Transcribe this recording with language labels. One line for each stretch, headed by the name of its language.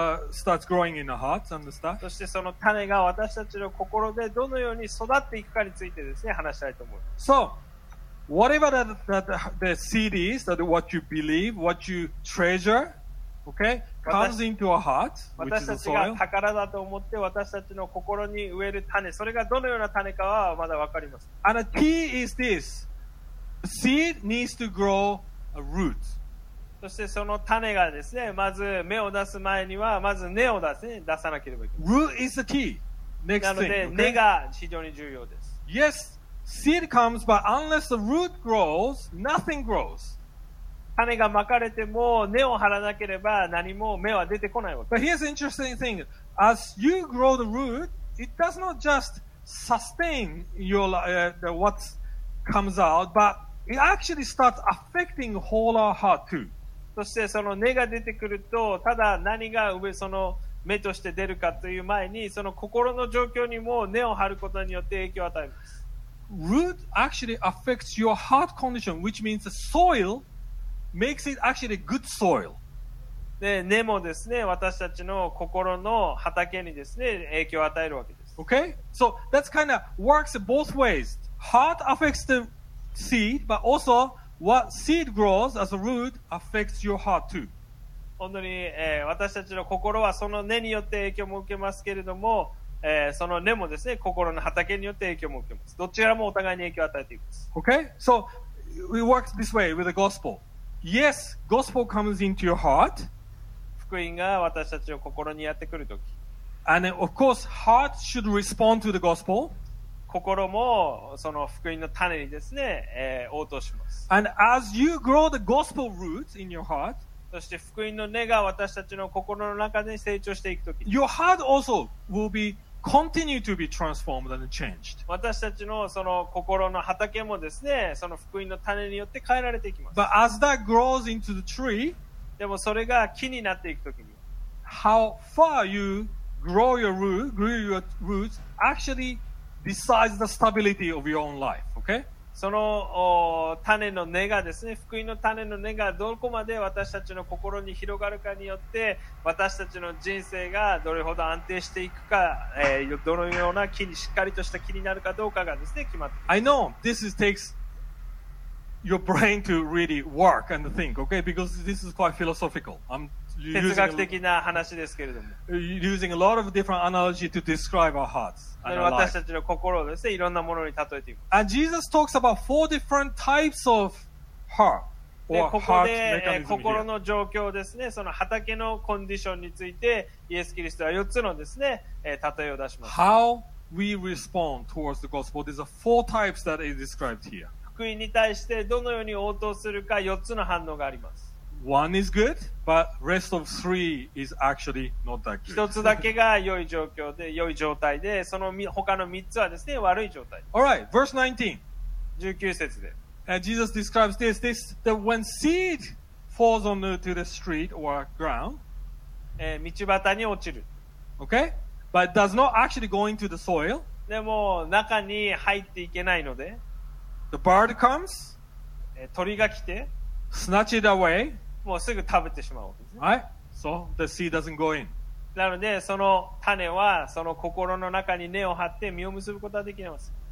English: Starts growing in our hearts and stuff.
Japanese: そしてその種が私たちの心でどのように育っていくかについてですね、話したいと思います。
English: So, whatever the seed is, that what you believe, what you treasure, okay, comes into our heart, which is soil.
Japanese: 私たちが宝だと思って私たちの心に植える種、それがどのような種かはまだ分かりません。
English: And the key is this: the seed needs to grow a root.
Japanese: そしてその種がですね、まず芽を出す前にはまず根を出す、ね、出さなければいけない。
English: Root is the key. Next thing.
Japanese: なので根が非常に重要です。
English: Okay? Yes, seed comes, but unless the root grows, nothing grows.
Japanese: 種がまかれても根を張らなければ何も芽は出てこないわけです。
English: But here's an interesting thing. As you grow the root, it does not just sustain your, what comes out, but it actually starts affecting whole our heart too.
Japanese: そしてその根が出てくると、ただ何が上その芽として出るかという前に、その心の状況にも根を張ることによって影響を与えます。
English: Root actually affects your heart condition, which means the soil makes it actually good soil.
Japanese: で、根もですね、私たちの心の畑にですね、影響を与えるわけです。
English: Okay? So that's kind of works both ways. Heart affects the seed, but also,What seed grows as a root affects your heart too.
Japanese: 本当に、私たちの心はその根によって影響も受けますけれども、その根もですね、心の畑によって影響も受けます。どちらもお互いに影響を与えています。
English: Okay? So, it works this way with the gospel. Yes, gospel comes into your heart.
Japanese: 福音が私たちの心にやってくるとき。
English: And then, of course, heart should respond to the gospel.
Japanese: 心もその福音の種にですね、応答します。
English: And as you grow the gospel roots in your heart,
Japanese: そして福音の根が私たちの心の中で成長していくとき、
English: your heart also will be continue to be transformed and changed.
Japanese: 私たちのその心の畑もですね、その福音の種によって変えられていきます。
English: But as that grows into the tree,
Japanese: でもそれが木になっていくときに、
English: how far you grow your root, grow your roots, actually Besides the stability of your own life, okay?
Japanese: その種の根がですね、福音の種の根がどこまで私たちの心に広がるかによって、私たちの人生がどれほど安定していくか、どのような木にしっかりとした木になるかどうかがですね、決まっています
English: 。I know this is takes your brain to really work and think, okay? Because this is quite philosophical. I'm
Japanese: 哲学的な話ですけれども。
English: Using a lot of different analogy to describe our hearts.
Japanese: 私たちの心をですね、いろんなものに例えています。
English: And Jesus talks about four different types of heart.
Japanese: で、ここで心の状況ですね、その畑のコンディションについて、イエス・キリストは4つのですね、例えを出します。
English: How we respond towards the gospel. There's four types that is described here.
Japanese: 福音に対してどのように応答するか、4つの反応があります。
English: One is good, but rest of three is actually not that good.
Japanese: 一つだけが良い状況で、良い状態で、その他の三つはですね、悪い状態。
English: All right, verse 19.
Japanese: 19節で。
English: Jesus describes this, that when seed falls on to the street or ground,
Japanese: 道端に落ちる。
English: Okay? But does not actually go into the soil.
Japanese: でも、中に入っていけないので。
English: The bird comes.
Japanese: 鳥が来て。
English: Snatch it away.
Japanese: もうすぐ食べてしまうわけです
English: ね。Right? So the seed doesn't go in.
Japanese: なので、その種は、その心の中に根を張って実を結ぶことができます。